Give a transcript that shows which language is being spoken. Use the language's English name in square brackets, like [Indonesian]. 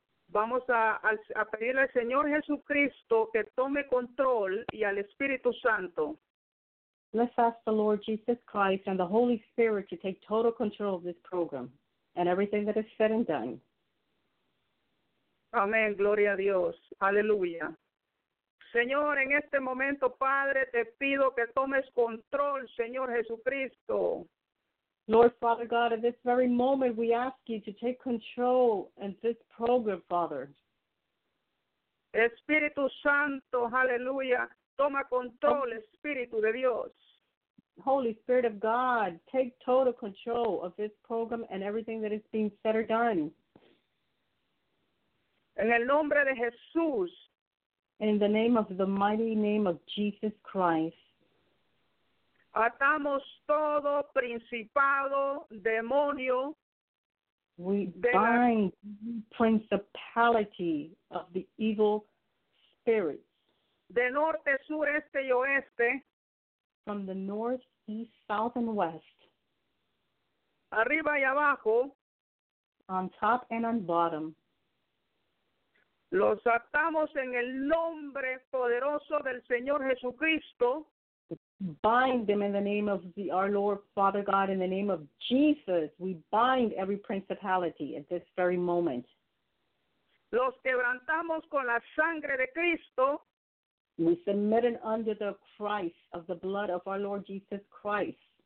[Spanish] Vamos a pedirle al Señor Jesucristo que tome control y al Espíritu Santo. [English] Let's ask the Lord Jesus Christ and the Holy Spirit to take total control of this program and everything that is said and done. [Spanish] Amén. Gloria a Dios. Aleluya. Señor, en este momento, Padre, te pido que tomes control, Señor Jesucristo. [English] Lord, Father God, at this very moment, we ask you to take control in this program, Father. [Spanish] Espíritu Santo, aleluya. Toma control, Espíritu de Dios. [English] Holy Spirit of God, take total control of this program and everything that is being said or done. [Spanish] En el nombre de Jesús. [English] In the name of the mighty name of Jesus Christ. [Spanish] Atamos todo principado, demonio. [English] We bind principality of the evil spirits. [Spanish] De norte, sur, este y oeste. [English] From the north, east, south, and west. [Spanish] Arriba y abajo. [English] On top and on bottom. [Spanish] Los atamos en el nombre poderoso del Señor Jesucristo. [English] Bind them in the name of our Lord, Father God, in the name of Jesus. We bind every principality at this very moment. [Spanish] Los quebrantamos con la sangre de Cristo. [English] We submit it under the Christ of the blood of our Lord Jesus Christ.